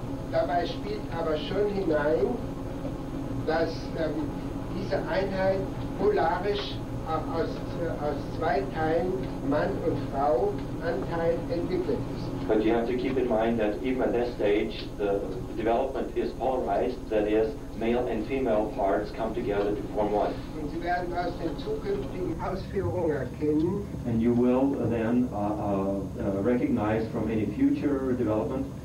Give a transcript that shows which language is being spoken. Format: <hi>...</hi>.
<de>Dabei spielt aber schon hinein, dass diese Einheit polarisch aus zwei Teilen, Mann und Frau, Anteil entwickelt ist.</de> <en>But you have to keep in mind that even at this stage, the development is polarized, that is, male and female parts come together to form one.</en> <de>Und Sie werden aus den zukünftigen Ausführungen erkennen.</de> <en>And you will then recognize from any future development,</en>